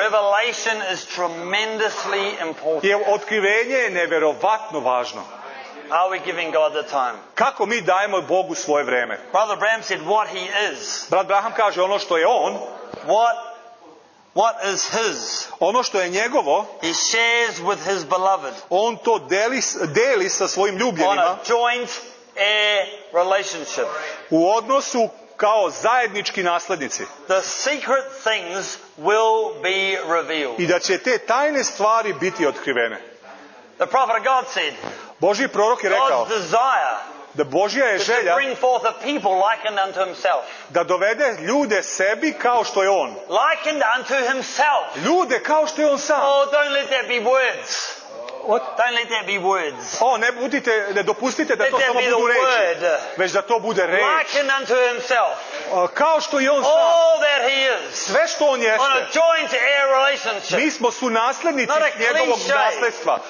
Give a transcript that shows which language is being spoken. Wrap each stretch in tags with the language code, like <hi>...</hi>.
<en>Revelation is tremendously important.</en> <sr>Jer otkrivenje je neverovatno važno.</sr> <en>Are we giving God the time?</en> <sr>Kako mi dajemo Bogu svoje vreme?</sr> <en>Brother Branham said what he is.</en> <sr>Brat Branham kaže ono što je on.</sr> <en>What is his?</en> <sr>Ono što je njegovo.</sr> <en>He shares with his beloved.</en> <sr>On to deli sa svojim ljubljenima.</sr> <en>On a joint heir relationship.</en> <sr>U odnosu kao zajednički naslednici.</sr> <en>The secret things will be revealed.</en> <sr>I da će te tajne stvari biti otkrivene.</sr> <en>The prophet of God said.</en> <sr>Božji prorok je rekao.</sr> <en>God's desire.</en> <sr>Da Božja je želja.</sr> <en>To bring forth a people likened unto himself.</en> <sr>Da dovede ljude sebi kao što je on.</sr> <en>Likened unto himself.</en> <sr>Ljude kao što je on sam.</sr> <en>Oh, don't let that be words. What? Don't let that be words.</en> <sr>Oh, ne budite, ne dopustite da to samo budu reči. Već da to bude reč.</sr> <en>Likened unto himself.</en> <sr>Kao što je on sam.</sr> <en>All that he is.</en> <sr>Sve što on jeste.</sr> <en>On a joint heir relationship.</en> <sr>Mi smo sunaslednici njegovog nasledstva.</sr>